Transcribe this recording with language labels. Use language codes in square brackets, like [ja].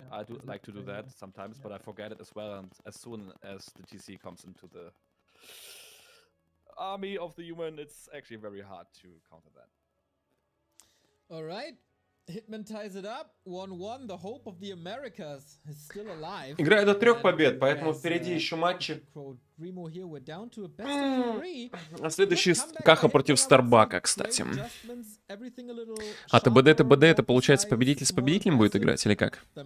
[en] I do like to do that sometimes, yeah. But I forget it as well, and as soon as the TC comes into the army of the human, it's actually very hard to counter that. All right. Hitman ties it up. 1-1. The hope of the Americas is still alive. [ru] Игра до трех побед, поэтому впереди еще матчи. [en] Remo here, we're down to a best of three. [ru] А следующий Каха против Старбака, кстати. А ТБД, ТБД, это получается победитель с победителем будет играть, или как?